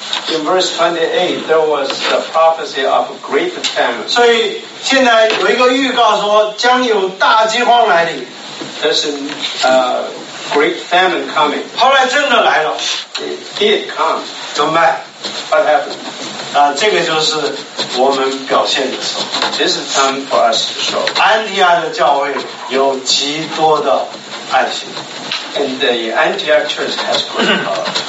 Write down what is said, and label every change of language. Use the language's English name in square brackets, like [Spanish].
[English] In verse 28, there was the prophecy of a great famine. [Chinese] 所以现在有一个预告说将有大饥荒来临. [English] There's a great famine coming. [Chinese] 后来真的来了. [English] It comes. [Chinese] 怎么办? [English] What happened? [Chinese] 这个就是我们表现的时候. [English] This is time for us to show. [Chinese] 安提阿的教会有极多的爱心. [English] And the Antioch church has great power.